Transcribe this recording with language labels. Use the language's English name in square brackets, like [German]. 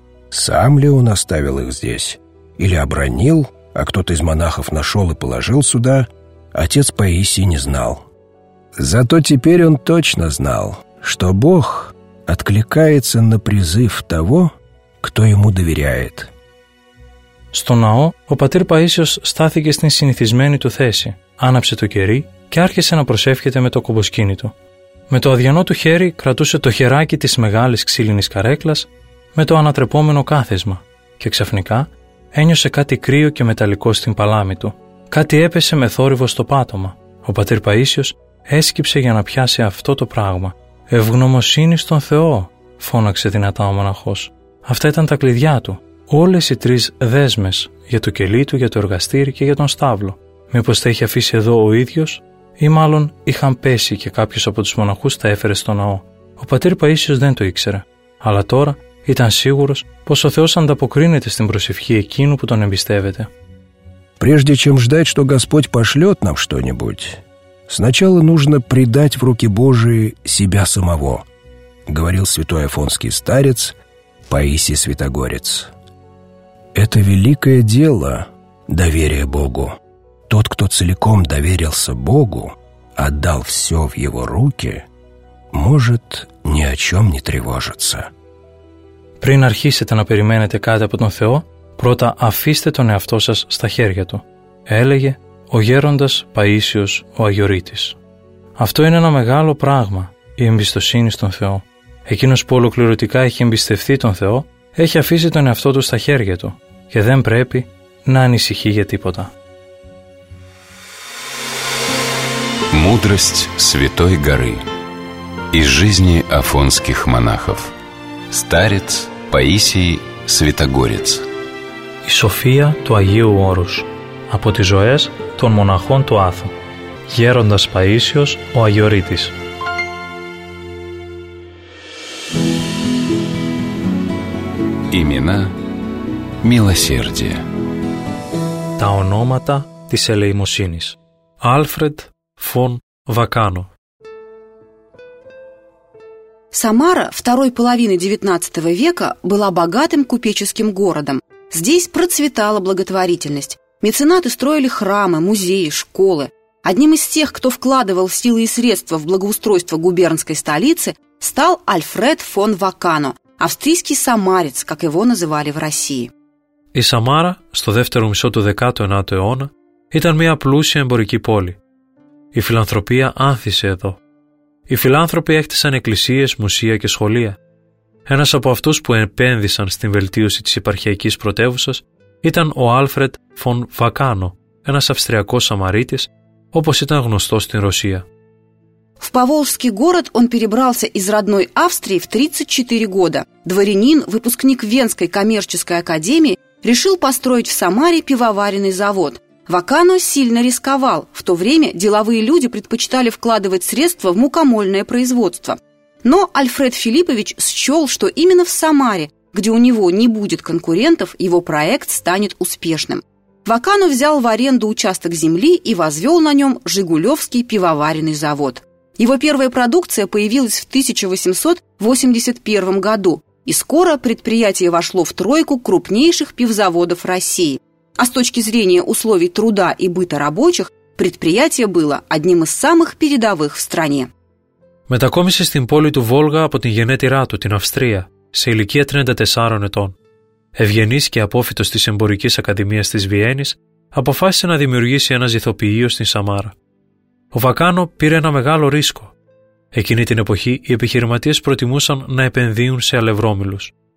[Russian] Сам ли он оставил их здесь, или обронил, а кто-то из монахов нашел и положил сюда, отец Паисий не знал. Зато теперь он точно знал, что Бог откликается на призыв того, кто ему доверяет. [Greek] Στο ναό, ο πατήρ Παΐσιος στάθηκε στην συνηθισμένη του θέση, άναψε το κερί και άρχισε να προσεύχεται με το κομποσκίνητο. Με το αδιανό του χέρι κρατούσε το χεράκι της μεγάλης ξύλινης καρέκλας με το ανατρεπόμενο κάθεσμα και ξαφνικά ένιωσε κάτι κρύο και μεταλλικό στην παλάμη του. Κάτι έπεσε με θόρυβο στο πάτωμα. Ο πατήρ Παΐσιος έσκυψε για να πιάσει αυτό το πράγμα. «Ευγνωμοσύνη στον Θεό», φώναξε δυνατά ο μοναχός. Αυτά ήταν τα κλειδιά του. Όλες οι τρεις δέσμες, για το κελί του, για το εργαστήρι και για τον στάβλο. Μήπως τα είχε αφήσει εδώ ο ίδιος, ή μάλλον είχαν πέσει και κάποιος από τους μοναχούς τα έφερε στο ναό. Ο πατήρ Παΐσιος δεν το ήξερε, αλλά τώρα ήταν σίγουρος πως ο Θεός ανταποκρίνεται στην προσευχή εκείνου που τον εμπιστεύεται. [Russian] Прежде чем ждать, что Господь пошлет нам что-нибудь, сначала нужно предать в руки Божии себя самого, говорил святой афонский старец Паисий Святогорец. Это великое дело – доверие Богу. Тот, кто целиком доверился Богу, отдал все в его руки, может ни о чем не тревожиться. [Greek] Πριν αρχίσετε να περιμένετε κάτι από τον Θεό, πρώτα αφήστε τον εαυτό σας στα χέρια Του, έλεγε ο γέροντας Παΐσιος ο Αγιορείτης. Αυτό είναι ένα μεγάλο πράγμα, η εμπιστοσύνη στον Θεό. Εκείνος που ολοκληρωτικά έχει εμπιστευτεί τον Θεό, έχει αφήσει τον εαυτό του στα χέρια του και δεν πρέπει να ανησυχεί για τίποτα. [Russian] Мудрость Святой Горы из жизни афонских монахов. Старец Паисий Святогорец. [Greek] Η σοφία του Αγίου Όρους από τις ζωές των μοναχών του Άθου. Γέροντας Παΐσιος ο Αγιορείτης. [Russian] Имена милосердия. [Greek] Τα ονόματα της ελεημοσύνης. [Russian] Άλφρεντ Фон Вакано. Самара второй половины XIX века была богатым купеческим городом. Здесь процветала благотворительность. Меценаты строили храмы, музеи, школы. Одним из тех, кто вкладывал силы и средства в благоустройство губернской столицы, стал Альфред фон Вакано. Австрийский самарец, как его называли в России. [Greek] Η Σαμάρα, στο δεύτερο μισό του 19ου αιώνα, ήταν μια πλούσια εμπορική πόλη. Η φιλανθρωπία άνθησε εδώ. Οι φιλάνθρωποι έκτισαν εκκλησίες, μουσεία και σχολεία. Ένας από αυτούς που επένδυσαν στην βελτίωση της επαρχιακής πρωτεύουσας ήταν ο Άλφρεντ φον Βακάνο, ένας Αυστριακός Σαμαρίτης, όπως ήταν γνωστός στην Ρωσία. [Russian] В Поволжский город он перебрался из родной Австрии в 34 года. Дворянин, выпускник Венской коммерческой академии, решил построить в Самаре пивоваренный завод. Вакано сильно рисковал. В то время деловые люди предпочитали вкладывать средства в мукомольное производство. Но Альфред Филиппович счел, что именно в Самаре, где у него не будет конкурентов, его проект станет успешным. Вакано взял в аренду участок земли и возвел на нем Жигулевский пивоваренный завод. Его первая продукция появилась в 1881 году, и скоро предприятие вошло в тройку крупнейших пивзаводов России. А с точки зрения условий труда и быта рабочих, предприятие было одним из самых передовых в стране. [Greek] Μετακόμισε στην πόλη του Βόλγα από την γενέτειρά του, την Αυστρία, σε ηλικία 34 ετών. Ευγενής και απόφυτος της Εμπορικής Ακαδημίας της Βιέννης, αποφάσισε να δημιουργήσει ένα ζυθοποιείο στην Σαμάρα. Ο Βακάνο πήρε ένα μεγάλο ρίσκο. Εκείνη την εποχή οι επιχειρηματίες προτιμούσαν να επενδύουν σε αλευρόμηλους.